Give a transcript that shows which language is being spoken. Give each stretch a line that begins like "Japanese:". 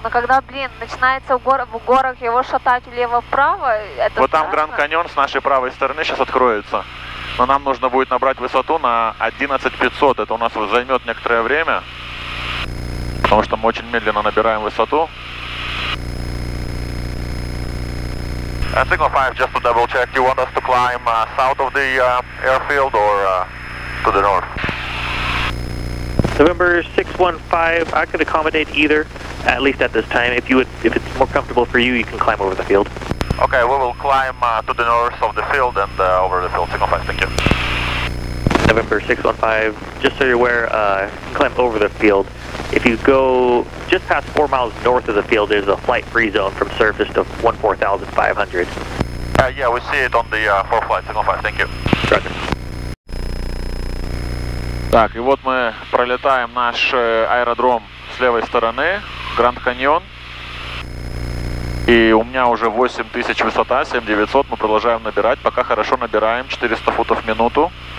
Russian: Но когда, блин, начинается в горах его шатать влево-вправо, это вот Там Гранд Каньон с нашей правой стороны сейчас откроется. Но нам нужно будет набрать высоту на 11500. Это у нас займет некоторое время, потому что мы очень медленно набираем высоту.
English: Signal 5, just to double check, you want us to climb south of the airfield or to the north? November 615, I could accommodate either, at least at this time. If it's more comfortable for you, you can climb over the field. Okay, we will climb to the north of the field and over the field. Signal 5, thank you. November 615, just so you're aware, climb over the field. If you go just past 4 miles north of the field, there's a flight free zone from surface to 14,500. Yeah, we see it on the four flight, signal 5, thank you. Roger.
Russian: Так, и вот мы пролетаем наш аэродром с левой стороны, Гранд Каньон. И у меня уже 8000 высота, 7900, мы продолжаем набирать, пока хорошо набираем, 400 футов в минуту.